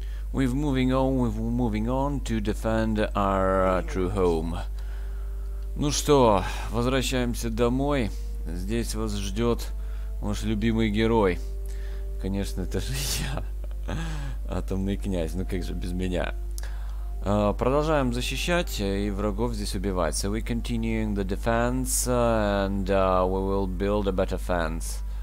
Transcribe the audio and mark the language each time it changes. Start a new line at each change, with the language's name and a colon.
English: We've moving on to defend our true home.
Russian: Ну что, возвращаемся домой. Здесь вас ждет ваш любимый герой. Конечно, это же я, атомный князь. Ну как же без меня? Продолжаем защищать и врагов здесь убивать.
English: So we're continuing the defense and we will build a better fence.